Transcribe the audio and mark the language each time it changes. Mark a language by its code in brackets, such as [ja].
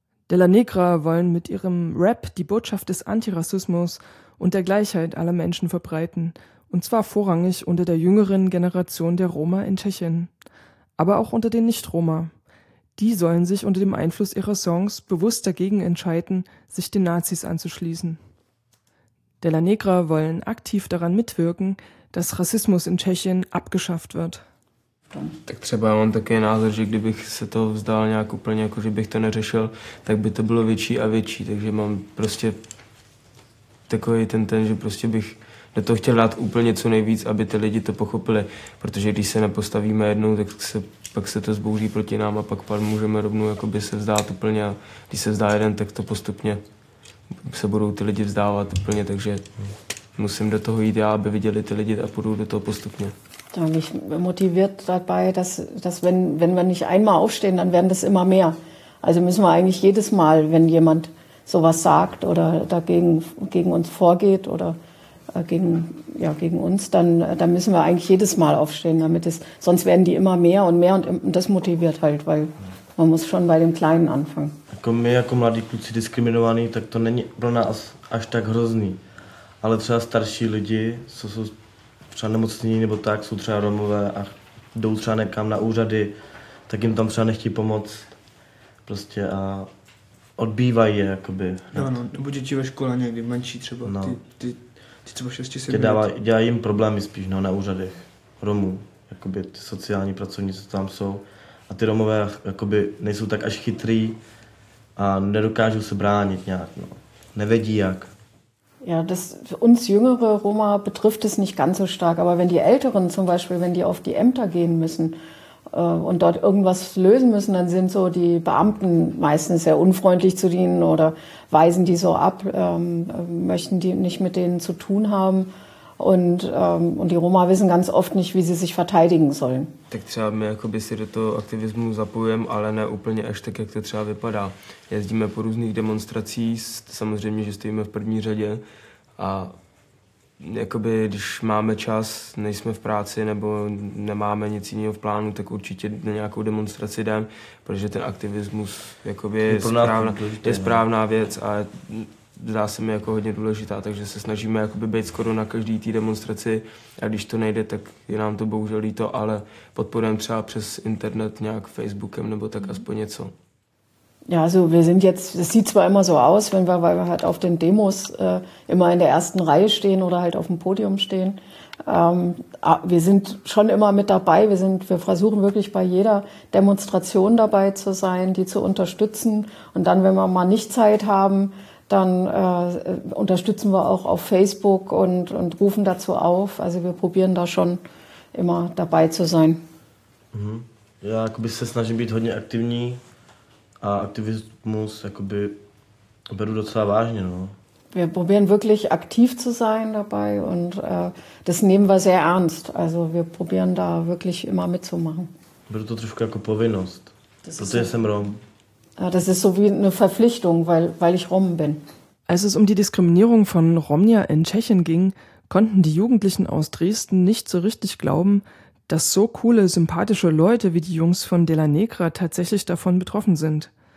[de] De La Negra wollen mit ihrem Rap die Botschaft des Antirassismus und der Gleichheit aller Menschen verbreiten, und zwar vorrangig unter der jüngeren Generation der Roma in Tschechien, aber auch unter den Nicht-Roma. Die sollen sich unter dem Einfluss ihrer Songs bewusst dagegen entscheiden, sich den Nazis anzuschließen. De La Negra wollen aktiv daran mitwirken, dass Rassismus in Tschechien abgeschafft wird. [cs] Tak třeba já mám takový názor, že kdybych se toho vzdal nějak úplně, jako že bych to neřešil, tak by to bylo větší a větší. Takže mám prostě takový ten, že prostě bych do toho chtěl dát úplně co nejvíc, aby ty lidi to pochopili. Protože když se nepostavíme jednou, tak se pak se to zbouří proti nám a pak můžeme rovnou jakoby se vzdát úplně. A když se vzdá jeden, tak to postupně se budou ty lidi vzdávat úplně. Takže musím do toho jít já, aby viděli ty lidi a půjdu do toho postupně. [de] Ja, mich motiviert dabei, dass wenn wir nicht einmal aufstehen, dann werden das immer mehr. Also müssen wir eigentlich jedes Mal, wenn jemand sowas sagt oder dagegen gegen uns vorgeht oder gegen uns, dann müssen wir eigentlich jedes Mal aufstehen, damit es, sonst werden die immer mehr und mehr, und das motiviert halt, weil man muss schon bei dem Kleinen anfangen. [cs] Jako my jako mladí kluci diskriminovaní, tak to není pro nás až tak hrozný. Ale třeba starší lidi, co jsou třeba nemocní nebo tak, jsou třeba Romové a jdou třeba někam na úřady, tak jim tam třeba nechtí pomoct prostě a odbývají je jakoby. Ano, nebo děti ve škole někdy menší třeba, no. ty třeba 6-7 let. Dělají jim problémy spíš, no, na úřadech Romů, jakoby ty sociální pracovníci, co tam jsou, a ty Romové jakoby nejsou tak až chytrý a nedokážou se bránit nějak, no, nevědí jak. [de] Ja, das für uns jüngere Roma betrifft es nicht ganz so stark, aber wenn die Älteren zum Beispiel, wenn die auf die Ämter gehen müssen und dort irgendwas lösen müssen, dann sind so die Beamten meistens sehr unfreundlich zu denen oder weisen die so ab, möchten die nicht mit denen zu tun haben. Und die Roma wissen ganz oft nicht, wie sie sich verteidigen sollen. [cs] Tak třeba my jakoby si do toho aktivismu zapojujeme, ale ne úplně až tak, jak to třeba vypadá. Jezdíme po různých demonstracích, samozřejmě, že stojíme v první řadě, a jakoby, když máme čas, nejsme v práci nebo nemáme nic jiného v plánu, tak určitě na nějakou demonstraci jdem, protože ten aktivismus jakoby je správná věc a zdá se mi jako hodně důležitá, takže se snažíme být skoro na každý té demonstraci, a když to nejde, tak je nám to bohužel líto, ale podporujeme třeba přes internet nějak Facebookem nebo tak aspoň něco. [de] Ja, also wir sind jetzt, es sieht zwar immer so aus, wenn wir, weil wir halt auf den Demos immer in der ersten Reihe stehen oder halt auf dem Podium stehen, wir sind schon immer mit dabei, wir versuchen wirklich bei jeder Demonstration dabei zu sein, die zu unterstützen, und dann, wenn wir mal nicht Zeit haben, dann unterstützen wir auch auf Facebook und rufen dazu auf. Also wir probieren da schon immer dabei zu sein. Mhm. [cs] Ja, jakoby se snažím být hodně aktivní a aktivismus jakoby beru docela vážně, no. [de] Wir probieren wirklich aktiv zu sein dabei und das nehmen wir sehr ernst. Also wir probieren da wirklich immer mitzumachen. [cs] Beru to trošku jako povinnost, protože jsem Rom. [de] Das ist so wie eine Verpflichtung, weil ich Rom bin. Als es um die Diskriminierung von Romnia in Tschechien ging, konnten die Jugendlichen aus Dresden nicht so richtig glauben, dass so coole, sympathische Leute wie die Jungs von De La Negra tatsächlich davon betroffen sind.